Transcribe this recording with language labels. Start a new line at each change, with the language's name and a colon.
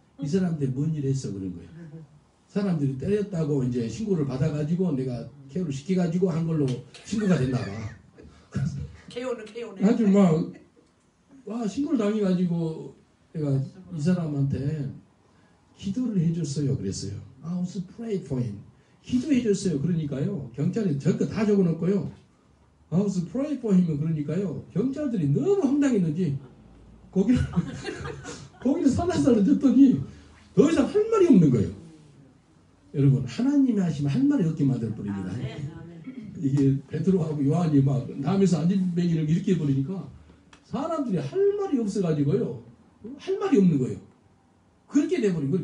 Korean: 이 사람들 뭔 일을 했어 그런 거예요. 사람들이 때렸다고 이제 신고를 받아가지고 내가 케어를 시켜가지고 한 걸로 신고가 됐나 봐. 케어는 아주 막 와 신고를 당해가지고 내가 이 사람한테 기도를 해줬어요 그랬어요.
English: I was pray for him.
Korean: 기도해줬어요 그러니까요. 경찰이 저거 다 적어놓고요.
English: I was pray for him
Korean: 그러니까요. 경찰들이 너무 황당했는지 거기를 살았어 그랬더니 더 이상 할 말이 없는 거예요. 여러분 하나님이 하시면 할 말이 없게 만들 뿐입니다. 아, 네, 아, 네. 이게 베드로하고 요한이 막 남에서 안진뱅이를 일으켜 버리니까 사람들이 할 말이 없어가지고요. 할 말이 없는 거예요. 그렇게 돼버린 거예요.